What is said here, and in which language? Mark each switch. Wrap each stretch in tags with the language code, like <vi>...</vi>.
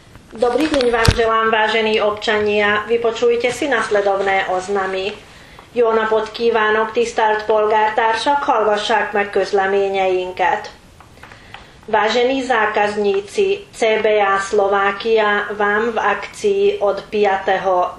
<sk>Dobrý deň vám želám, vážení občania. Vypočujte si nasledovné oznamy.</sk> <hu>Jó napot kívánok, tisztelt polgártársak, hallgassák meg közleményeinket.</hu> <sk>Vážení zákazníci, CBA Slovákia vám v akcii od 5.</sk>